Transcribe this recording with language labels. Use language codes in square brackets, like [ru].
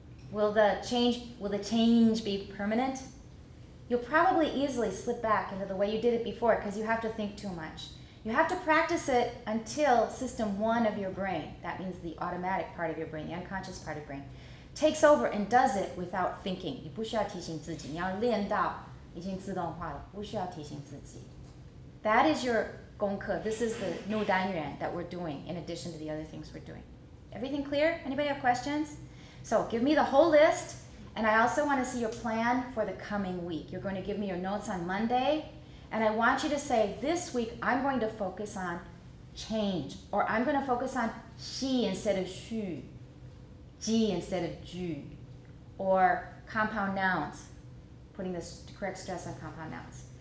[en] Will the change be permanent? you'll probably easily slip back into the way you did it before because you have to think too much. You have to practice it until system one of your brain, that means the automatic part of your brain, the unconscious part of your brain, takes over and does it without thinking. [zh] 你不需要提醒自己，你要练到已经自动化了，不需要提醒自己。 [en] That is your 功课. This is the 内单元 that we're doing in addition to the other things we're doing. Everything clear? Anybody have questions? So give me the whole list, and I also want to see your plan for the coming week. You're going to give me your notes on Monday, and I want you to say, this week I'm going to focus on change, or I'm going to focus on 시 instead of 虚, 지 instead of 句, or compound nouns, putting the correct stress on compound nouns.